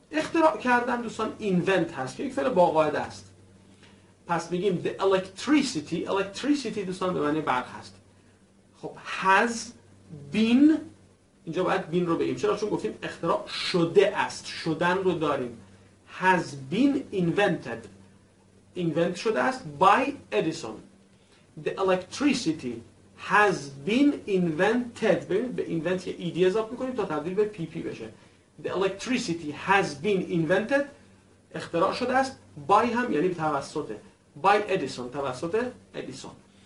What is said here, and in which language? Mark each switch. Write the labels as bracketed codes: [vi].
[fa] اختراع کردن دوستان invent هست که یک فعل باقاعده است. پس میگیم [en] the electricity، [fa] electricity دوستان به معنی برق هست. خب [en] has been، [fa] اینجا باید been رو بگیم. چرا؟ چون گفتیم اختراع شده است، شدن رو داریم. [en] has been invented، invent [fa] شده است [en] by Edison. The electricity has been invented. [fa] ببینید به invent یه ایدی اضافه میکنیم تا تبدیل به پی پی بشه. [en] The electricity has been invented، [fa] اختراع شده است، [en] by [fa] هم یعنی توسطه، [en] by Edison، توسط Edison.